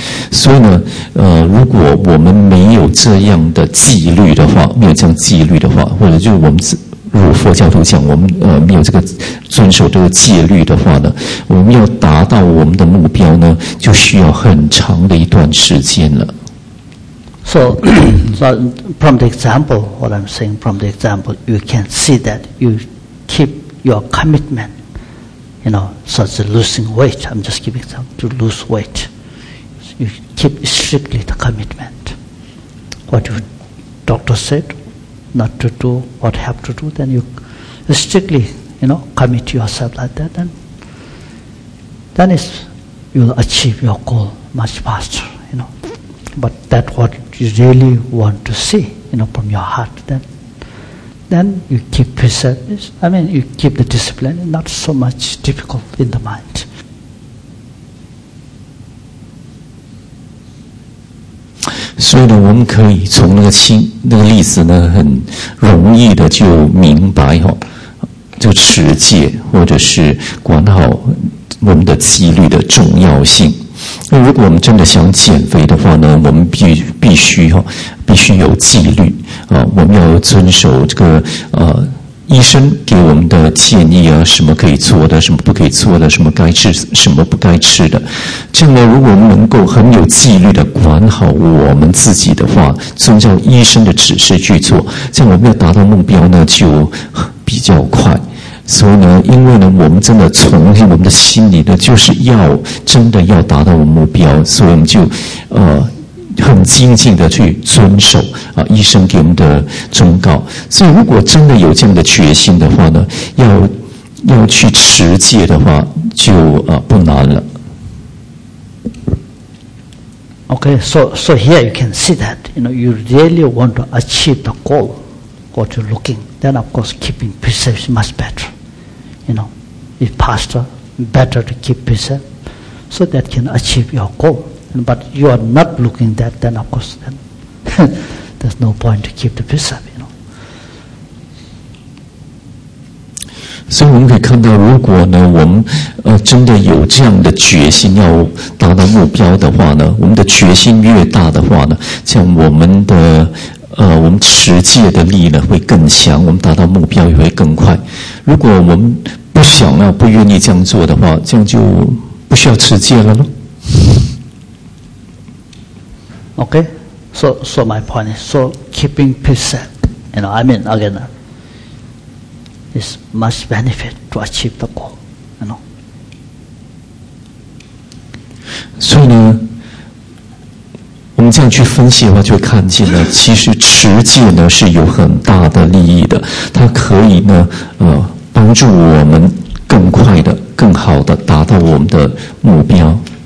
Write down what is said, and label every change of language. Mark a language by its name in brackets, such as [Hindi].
[Chinese] 所以呢如果我们没有这样的纪律的话，没有这样纪律的话，或者就我们如佛教徒讲，我们没有这个遵守这个戒律的话呢，我们要达到我们的目标呢，就需要很长的一段时间了。 [English] So from the example, what I'm saying from the example, you can see that you keep your commitment. You know, such as losing weight. I'm just giving example to lose weight. You keep strictly the commitment. What your doctor said. Not to do what you have to do, then you strictly, you know, commit yourself like that, then it's, you'll achieve your goal much faster, you know. But that's what you really want to see, you know, from your heart, then you keep precept, I mean, you keep the discipline, not so much difficult in the mind. [Chinese] 所以呢，我们可以从那个轻那个例子呢，很容易的就明白哈、就持戒或者是管好我们的纪律的重要性。那如果我们真的想减肥的话呢，我们必须哈、必须有纪律我们要遵守这个医生给我们的建议啊，什么可以做的，什么不可以做的，什么该吃，什么不该吃的。这样呢，如果我们能够很有纪律的管好我们自己的话，遵照医生的指示去做，这样我们要达到目标呢，就比较快。所以呢，因为呢，我们真的从我们的心里呢，就是要真的要达到我们目标，所以我们就很精进的去遵守医生给我们的忠告。所以如果真的有这样的决心的话呢，要要去持戒的话就不难了。 [English] Okay, so here you can see that, you know, you really want to achieve the goal, what you're looking, then of course keeping precepts is much better. You know, if pastor, better to keep precept, so that can achieve your goal. But you are not looking that, then of course, then there's no point to keep the precept, you know. So we can see that if we are [Chinese] 真的有这样的决心要达到目标的话呢，我们的决心越大的话呢，像我们的我们持戒的力呢会更强，我们达到目标也会更快。如果我们不想要不愿意这样做的话，这样就不需要持戒了咯。 [English] Okay, so my point is, so keeping precept, you know, I mean again, is much benefit to achieve the goal. [Chinese] 所以呢，我们这样去分析的话，就会看见呢，其实持戒呢是有很大的利益的，它可以呢，帮助我们更快的、更好的达到我们的目标。